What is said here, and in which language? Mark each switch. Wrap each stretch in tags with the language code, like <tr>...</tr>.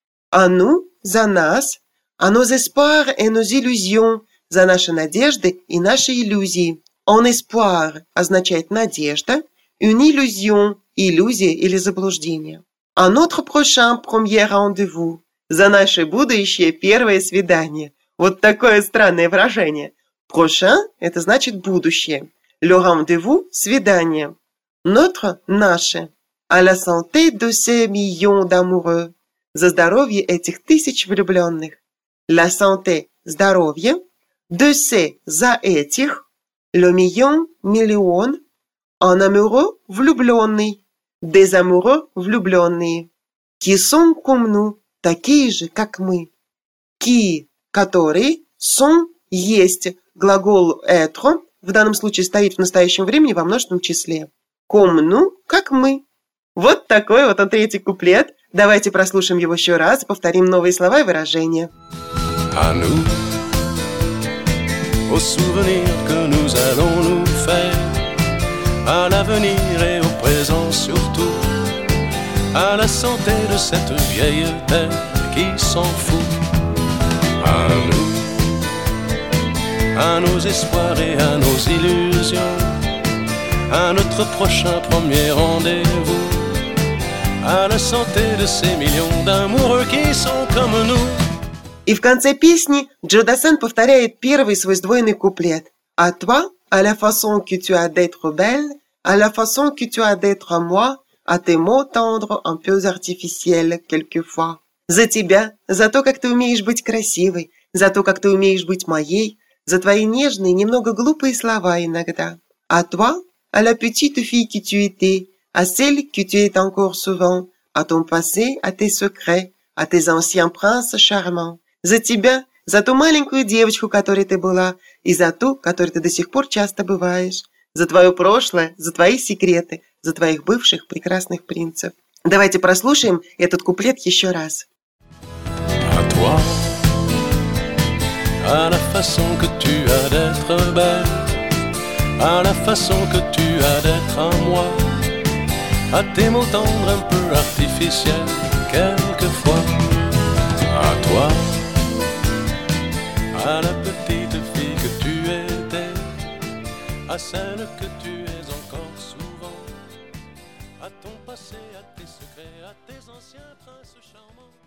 <ru>«А ну» – за нас.</ru> <fr>«À nos espoirs et nos illusions» –</fr> <ru>за наши надежды и наши иллюзии.</ru> <fr>«En espoir»</fr> <ru>– означает «надежда»,</ru> <fr>«une illusion»</fr> <ru>– иллюзия или заблуждение.</ru> <fr>«À notre prochain premier rendez-vous» –</fr> <ru>за наше будущее первое свидание. Вот такое странное выражение.</ru> <fr>«Prochain»</fr> <ru>– это значит «будущее».</ru> <fr>«Le rendez-vous»</fr> <ru>– свидание.</ru> <fr>«Notre»</fr> <ru>– наше.</ru> <fr>«À la santé de ces millions d'amoureux» –</fr> <ru>за здоровье этих тысяч влюбленных.</ru> <fr>«La santé»</fr> <ru>– здоровье,</ru> <fr>«de ces»</fr> <ru>– за этих,</ru> <fr>«le million»</fr> <ru>– миллион,</ru> <fr>«en amoureux»</fr> <ru>– влюбленный,</ru> <fr>«des amoureux»</fr> <ru>– влюбленные,</ru> <fr>«qui sont comme nous»</fr> <ru>– такие же, как мы, «qui» – которые, «sont» – есть, глагол «être» в данном случае стоит в настоящем времени во множественном числе,</ru> <fr>«comme nous»</fr> <ru>– как мы. Вот такой вот он третий куплет. Давайте прослушаем его еще раз, повторим новые слова и выражения.</ru> <fr>À nous, aux souvenirs que nous allons nous faire, à l'avenir et au présent surtout, à la santé de cette vieille terre qui s'en fout. À nous, à nos espoirs et à nos illusions, à notre prochain premier rendez-vous, à la santé de ces millions d'amoureux qui sont comme nous.</fr> <ru>И в конце песни Джо Дассен повторяет первый свой сдвоенный куплет.</ru> <fr>«À toi, à la façon que tu as d'être belle, à la façon que tu as d'être moi, à tes mots tendres, un peu artificiels, quelquefois».</fr> <ru>За тебя, за то, как ты умеешь быть красивой, за то, как ты умеешь быть моей, за твои нежные, немного глупые слова иногда.</ru> <fr>«À toi, à la petite fille que tu étais, à celle que tu es encore souvent, à ton passé, à tes secrets, à tes anciens princes charmants.</fr> <ru>За тебя, за ту маленькую девочку, которой ты была, и за ту, которой ты до сих пор часто бываешь. За твое прошлое, за твои секреты, за твоих бывших прекрасных принцев. Давайте прослушаем этот куплет еще раз.</ru> <fr>À toi, à la façon que tu as d'être belle, à la façon que tu as d'être à moi, à tes mots tendres un peu artificiels, quelquefois. À toi, à la petite fille que tu étais, à celle que tu es encore souvent, à ton passé, à tes secrets, à tes anciens princes charmants.</fr>